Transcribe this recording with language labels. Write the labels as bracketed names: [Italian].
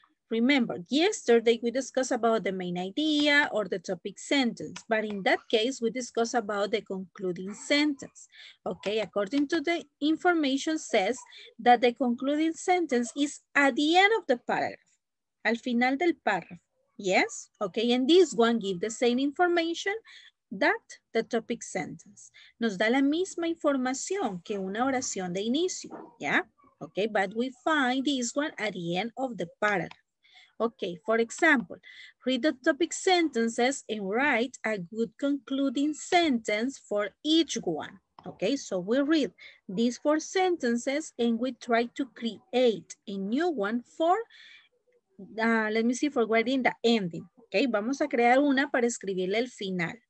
[English] Remember, yesterday we discussed about the main idea or the topic sentence, but in that case, we discussed about the concluding sentence. Okay, according to the information says that the concluding sentence is at the end of the paragraph, [Spanish] al final del párrafo. [English] Yes, okay, and this one gives the same information that the topic sentence. [Spanish] Nos da la misma información que una oración de inicio, ¿ya? [English] Okay, but we find this one at the end of the paragraph. Okay, for example, read the topic sentences and write a good concluding sentence for each one. Okay, so we read these four sentences and we try to create a new one for, let me see, for writing the ending. [Spanish] Okay, vamos a crear una para escribirle el final.